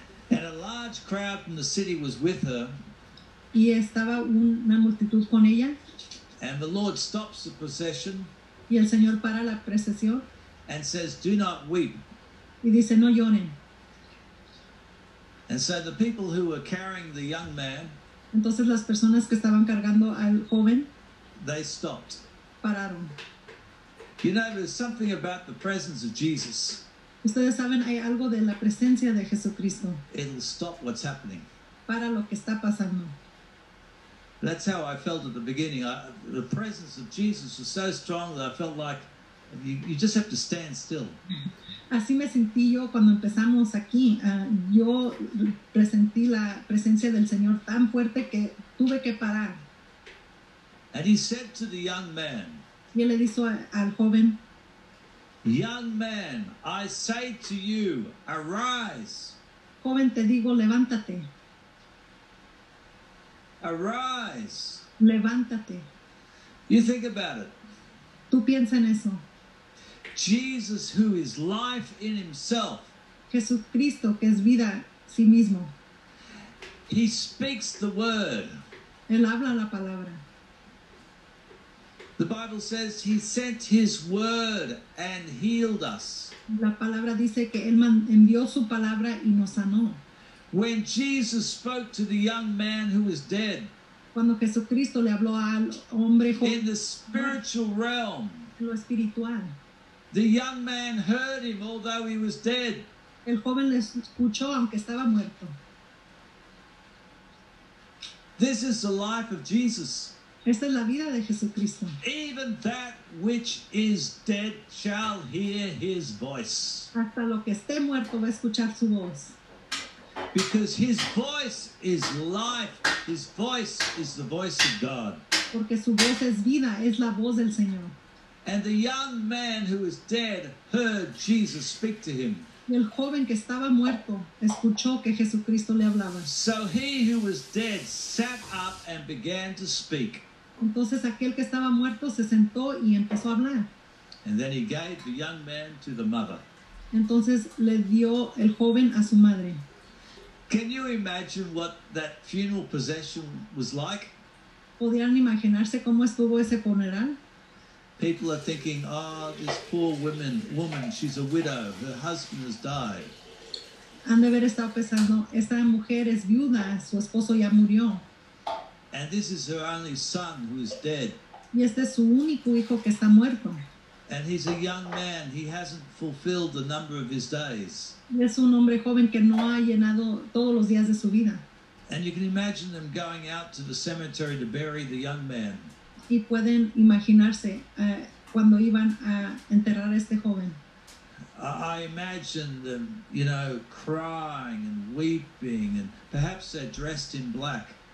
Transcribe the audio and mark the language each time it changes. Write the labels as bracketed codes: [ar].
[en] And a large crowd from the city was with her. [es] Y estaba una multitud con ella. [en] And the Lord stops the procession. [es] Y el Señor para la procesión. [en] And says, "Do not weep." [es] Y dice, "No lloren." [en] And so the people who were carrying the young man. [es] Entonces las personas que estaban cargando al joven. [en] They stopped. [es] Pararon. [en] You know, there's something about the presence of Jesus. [es] Ustedes saben, hay algo de la presencia de Jesucristo. [en] It'll stop what's happening. [es] Para lo que está pasando. [en] That's how I felt at the beginning. The presence of Jesus was so strong that I felt like you just have to stand still. [es] Así me sentí yo cuando empezamos aquí. Yo presentí la presencia del Señor tan fuerte que tuve que parar. [en] And he said to the young man. [es] Y él le dijo al joven. [en] Young man, I say to you, arise. [es] Joven, te digo, levántate. [en] Arise. [es] Levántate. [en] You think about it. [es] Tú piensa en eso. [en] Jesus, who is life in himself. [es] Jesucristo, que es vida sí mismo. [en] He speaks the word. [es] Él habla la palabra. [en] The Bible says he sent his word and healed us. [es] La palabra dice que él envió su palabra y nos sanó. [en] When Jesus spoke to the young man who was dead. [es] Cuando Jesucristo le habló al hombre joven. [en] In the spiritual realm. [es] Lo espiritual. [en] The young man heard him although he was dead. [es] El joven le escuchó aunque estaba muerto. [en] This is the life of Jesus. [es] Esta es la vida de Jesucristo. [en] Even that which is dead shall hear his voice. [es] Hasta lo que esté muerto va a escuchar su voz. [en] Because his voice is life. His voice is the voice of God. [es] Porque su voz es vida, es la voz del Señor. [en] And the young man who was dead heard Jesus speak to him. [es] El joven que estaba muerto escuchó que Jesucristo le hablaba. [en] So he who was dead sat up and began to speak. [es] Entonces aquel que estaba muerto se sentó y empezó a hablar. [en] And then he gave the young man to the mother. [es] Entonces le dio el joven a su madre. [en] Can you imagine what that funeral procession was like? [es] ¿Podrían imaginarse cómo estuvo ese funeral? [en] People are thinking, oh, this poor woman, she's a widow, her husband has died. [es] Han de haber estado pensando, esta mujer es viuda, su esposo ya murió. [en] And this is her only son who is dead. [es] Y este es su único hijo que está muerto. [en] And he's a young man, he hasn't fulfilled the number of his days. [es] Y es un hombre joven que no ha llenado todos los días de su vida. [en] And you can imagine them going out to the cemetery to bury the young man. [es] Y pueden imaginarse cuando iban a enterrar a este joven. [en] I imagine them, you know, crying and weeping and perhaps they're dressed in black.